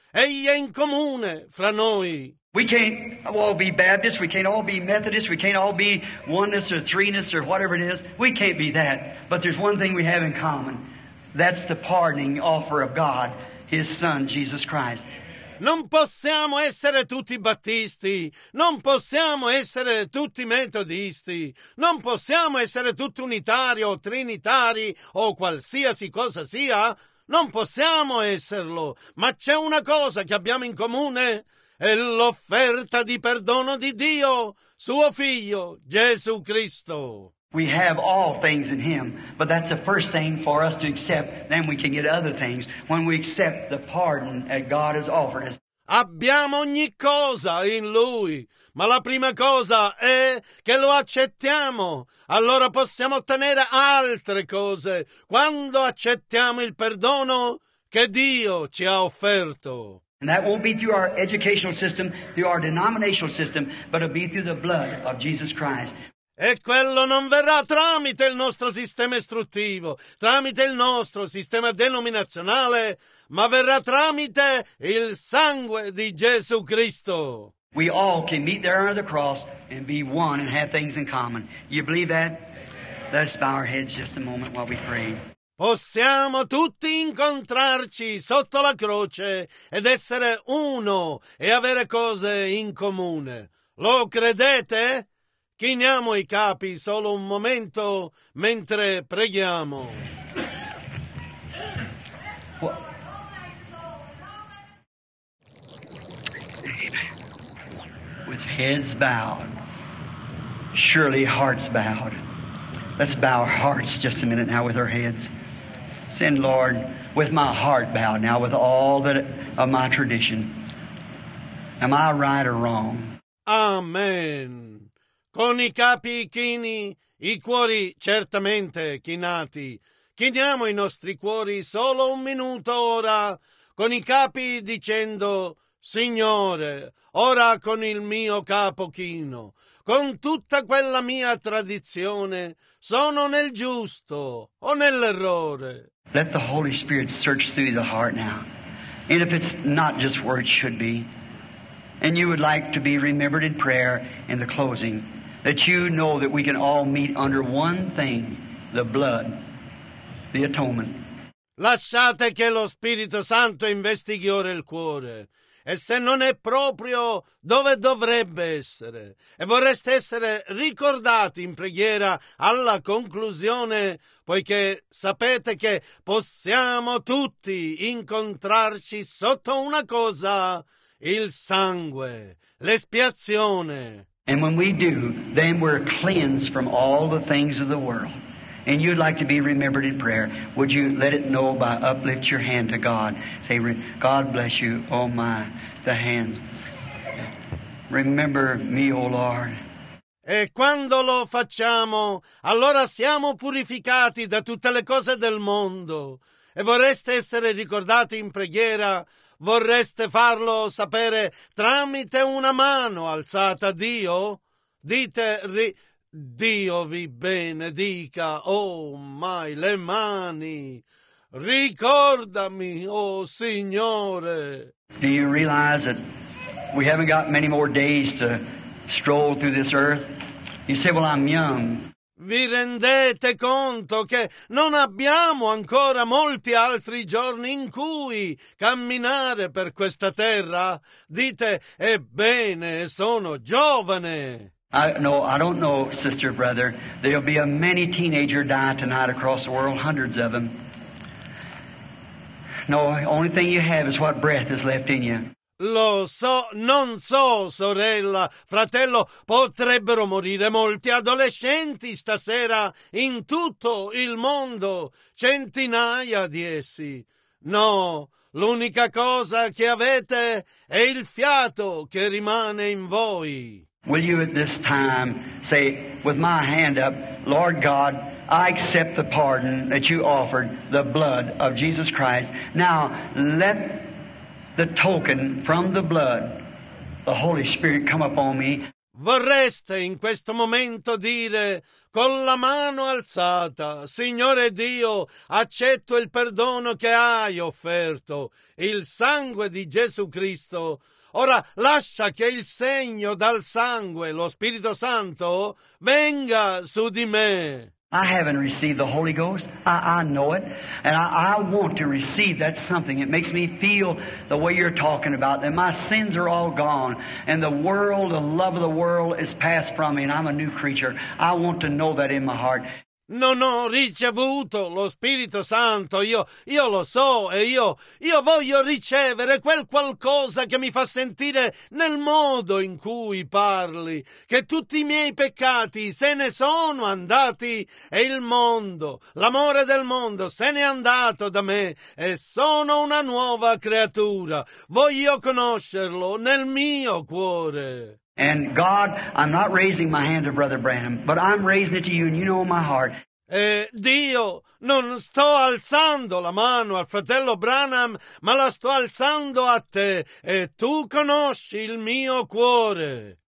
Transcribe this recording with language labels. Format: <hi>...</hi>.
<it>Egli è in comune fra noi.</it> <en>We can't all be Baptists, we can't all be Methodists, we can't all be oneness or threeness or whatever it is. We can't be that. But there's one thing we have in common. That's the pardoning offer of God, His Son, Jesus Christ.</en> <it>Non possiamo essere tutti battisti, non possiamo essere tutti metodisti, non possiamo essere tutti unitari o trinitari o qualsiasi cosa sia. Non possiamo esserlo, ma c'è una cosa che abbiamo in comune, è l'offerta di perdono di Dio, suo Figlio, Gesù Cristo.</it> <en>We have all things in Him, but that's the first thing for us to accept. Then we can get other things when we accept the pardon that God has offered us.</en> <it>Abbiamo ogni cosa in Lui, ma la prima cosa è che lo accettiamo. Allora possiamo ottenere altre cose quando accettiamo il perdono che Dio ci ha offerto.</it> <en>And that won't be through our educational system, through our denominational system, but it'll be through the blood of Jesus Christ.</en> <it>E quello non verrà tramite il nostro sistema istruttivo, tramite il nostro sistema denominazionale, ma verrà tramite il sangue di Gesù Cristo.</it> <en>We all can meet there under the cross and be one and have things in common. You believe that? Let's bow our heads just a moment while we pray.</en> <it>Possiamo tutti incontrarci sotto la croce ed essere uno e avere cose in comune. Lo credete? Chiniamo i capi solo un momento mentre preghiamo.</it> <en>With heads bowed, surely hearts bowed. Let's bow our hearts just a minute now with our heads. Sin, Lord, with my heart bowed now with all that of my tradition. Am I right or wrong? Amen.</en> <it>Con i capi chini, i cuori certamente chinati. Chiniamo i nostri cuori solo un minuto ora, con i capi dicendo, Signore, ora con il mio capo chino, con tutta quella mia tradizione, sono nel giusto o nell'errore?</it> <en>Let the Holy Spirit search through the heart now, and if it's not just where it should be, and you would like to be remembered in prayer in the closing, that you know that we can all meet under one thing, the blood, the atonement.</en> <it>Lasciate che lo Spirito Santo investighi ora il cuore. E se non è proprio dove dovrebbe essere, e vorreste essere ricordati in preghiera alla conclusione, poiché sapete che possiamo tutti incontrarci sotto una cosa, il sangue, l'espiazione.</it> <en>And when we do, then we're cleansed from all the things of the world. And you'd like to be remembered in prayer. Would you let it know by uplift your hand to God? Say, God bless you, oh my, the hands. Remember me, oh Lord.</en> <it>E quando lo facciamo, allora siamo purificati da tutte le cose del mondo. E vorreste essere ricordati in preghiera? Vorreste farlo sapere tramite una mano alzata a Dio? Dite, Dio vi benedica, oh mai, le mani. Ricordami, oh Signore.</it> <en>Do you realize that we haven't got many more days to stroll through this earth? You say, well, I'm young.</en> <it>Vi rendete conto che non abbiamo ancora molti altri giorni in cui camminare per questa terra? Dite, ebbene, sono giovane.</it> <en>I don't know, sister, brother. There'll be a many teenager die tonight across the world, hundreds of them. No, only thing you have is what breath is left in you.</en> <it>Lo so, non so, sorella, fratello, potrebbero morire molti adolescenti stasera in tutto il mondo, centinaia di essi. No, l'unica cosa che avete è il fiato che rimane in voi.</it> <en>Will you at this time say, with my hand up, Lord God, I accept the pardon that you offered, the blood of Jesus Christ. Now, let the token from the blood, the Holy Spirit, come upon me.</en> <it>Vorreste in questo momento dire, con la mano alzata, Signore Dio, accetto il perdono che hai offerto, il sangue di Gesù Cristo. Ora lascia che il segno dal sangue, lo Spirito Santo, venga su di me.</it> <en>I haven't received the Holy Ghost. I know it. And I want to receive that something. It makes me feel the way you're talking about, that my sins are all gone. And the world, the love of the world is passed from me. And I'm a new creature. I want to know that in my heart.</en> <it>Non ho ricevuto lo Spirito Santo, io lo so e io voglio ricevere quel qualcosa che mi fa sentire nel modo in cui parli, che tutti i miei peccati se ne sono andati e il mondo, l'amore del mondo se n'è andato da me e sono una nuova creatura, voglio conoscerlo nel mio cuore.</it> <en>And God, I'm not raising my hand to Brother Branham, but I'm raising it to you, and you know my heart.</en> <it>Dio, non sto alzando la mano al fratello Branham, ma la sto alzando a te, e tu conosci il mio cuore.</it>